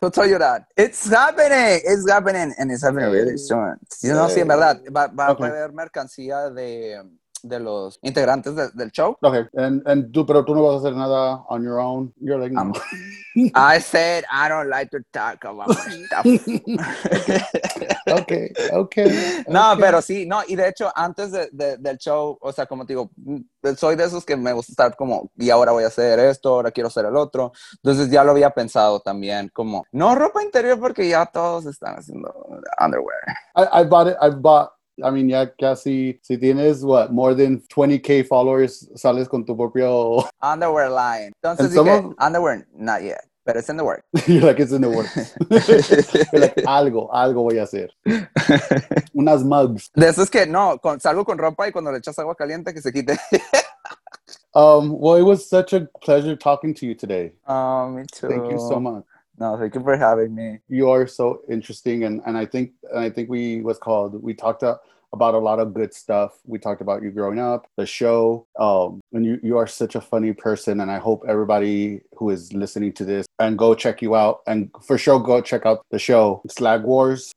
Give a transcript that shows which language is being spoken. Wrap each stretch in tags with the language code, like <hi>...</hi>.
<en>I'll tell you that. It's happening. And it's happening really soon.</en> <es>Sí. No, sí, en verdad. Va a haber mercancía de los integrantes del show. Okay. Pero tú no vas a hacer nada</es> <en>on your own. You're like, no. I said I don't like to talk about stuff. Okay.</en> <es>No,</es> <en>okay.</en> <es>Pero sí, no, y de hecho antes del show, o sea, como te digo, soy de esos que me gusta estar como, y ahora voy a hacer esto, ahora quiero hacer el otro. Entonces ya lo había pensado también, como, no ropa interior porque ya todos están haciendo underwear. I mean, ya casi, si tienes,</es> <en>what, more than 20,000 followers,</en> <es>sales con tu propio...</es> <en>Underwear line. Entonces, underwear, not yet, but it's in the works. You're like, it's in the works. Like,</en> <es>algo voy a hacer. Unas mugs. De eso es que, no, salgo con ropa y cuando le echas agua caliente, que se quite.</es> <en>Well, it was such a pleasure talking to you today. Me too. Thank you so much. No, thank you for having me. You are so interesting, and I think we talked about a lot of good stuff. We talked about you growing up, the show, and you are such a funny person, and I hope everybody who is listening to this and go check you out, and for sure go check out the show Slag Wars.</en>